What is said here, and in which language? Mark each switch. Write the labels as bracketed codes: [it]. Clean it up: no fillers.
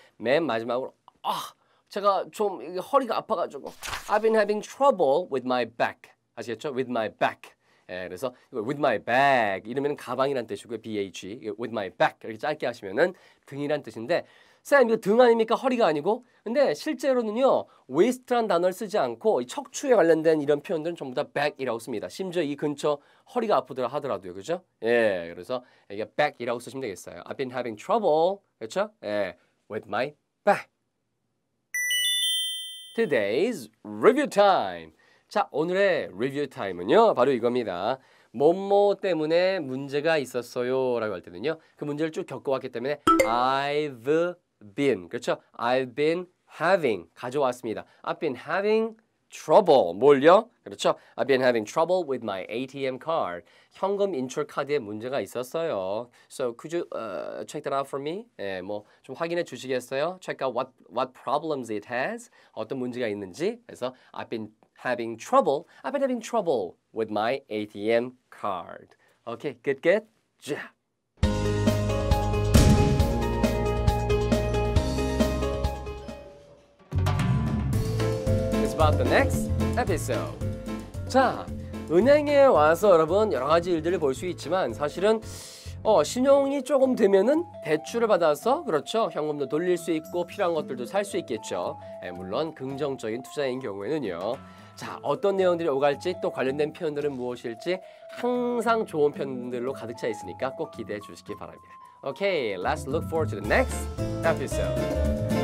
[ko] 맨 마지막으로 제가 좀 허리가 아파가지고 [en] I've been having trouble with my back. [ko] 아시겠죠? [en] With my back. [ko] 예, 그래서 [en] with my back [ko] 이러면 가방이란 뜻이고요. [en] BAG. with my back [ko] 이렇게 짧게 하시면은 등이란 뜻인데, 쌤 이거 등 아닙니까? 허리가 아니고? 근데 실제로는요, waist란 단어를 쓰지 않고 이 척추에 관련된 이런 표현들은 전부 다 back이라고 씁니다. 심지어 이 근처 허리가 아프더라 하더라도요, 그죠? 예, 그래서 이게 back이라고 쓰시면 되겠어요. [en] I've been having trouble, [ko] 그렇죠? [en] 예, with my back. Today's review time. [ko] 자, 오늘의 리뷰 타임은요, 바로 이겁니다. 뭐뭐 때문에 문제가 있었어요 라고 할 때는요, 그 문제를 쭉 겪어왔기 때문에 I've been, 그렇죠? [en] I've been having [ko] 가져왔습니다. [en] I've been having trouble, [ko] 뭘요? 그렇죠? [en] I've been having trouble with my ATM card. [ko] 현금 인출 카드에 문제가 있었어요. [en] So could you check that out for me? [ko] 예, 뭐 좀 확인해 주시겠어요? [en] Check out what problems it has. [ko] 어떤 문제가 있는지. [en] 그래서 I've been having trouble with my ATM card. Okay, good, good. Yeah. It's about the next episode. [ko] 자, 은행에 와서 여러분 여러 가지 일들을 볼 수 있지만 사실은 신용이 조금 되면은 대출을 받아서, 그렇죠, 현금도 돌릴 수 있고 필요한 것들도 살 수 있겠죠. 예, 물론 긍정적인 투자인 경우에는요. 자, 어떤 내용들이 오갈지 또 관련된 표현들은 무엇일지 항상 좋은 표현들로 가득 차 있으니까 꼭 기대해 주시기 바랍니다. [en] Okay, let's look forward to the next episode.